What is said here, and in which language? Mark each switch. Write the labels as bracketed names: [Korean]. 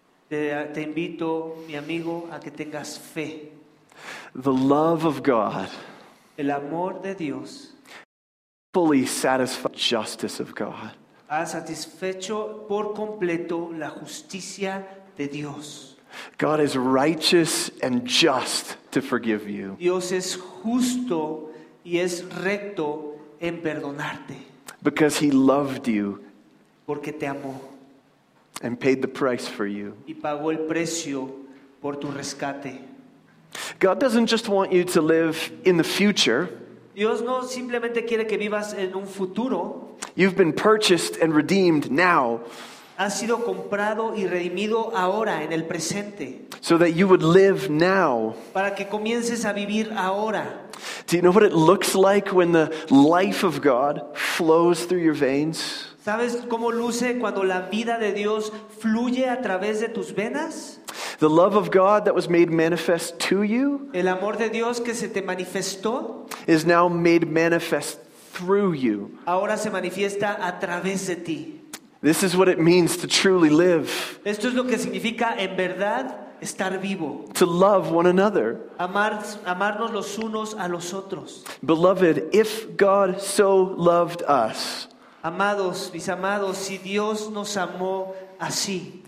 [Spanish] Te invito, mi amigo, a que tengas fe. [English] The love of God, [Spanish] el amor de Dios, [English] fully satisfied justice of God, [Spanish] ha satisfecho por completo la justicia de Dios. [English] God is righteous and just to forgive you. [Spanish] Dios es justo y es recto en perdonarte. [English] Because he loved you, [Spanish] porque te amó, [English] and paid the price for you, [Spanish] y pagó el precio por tu rescate. [English] God doesn't just want you to live in the future. [Spanish] Dios no simplemente quiere que vivas en un futuro. [English] You've been purchased and redeemed now. [Spanish] Has sido comprado y redimido ahora en el presente. [English] So that you would live now. [Spanish] Para que comiences a vivir ahora. [English] Do you know what it looks like when the life of God flows through your veins? [Spanish] ¿Sabes cómo luce cuando la vida de Dios fluye a través de tus venas? [English] The love of God that was made manifest to you, [Spanish] el amor de Dios que se te manifestó, [English] is now made manifest through you. [Spanish] Ahora se manifiesta a través de ti. [English] This is what it means to truly live. [Spanish] Esto es lo que significa en verdad estar vivo. [English] To love one another. [Spanish] Amarnos los unos a los otros. [English] Beloved, if God so loved us, [Spanish] amados, mis amados, si Dios nos amó así,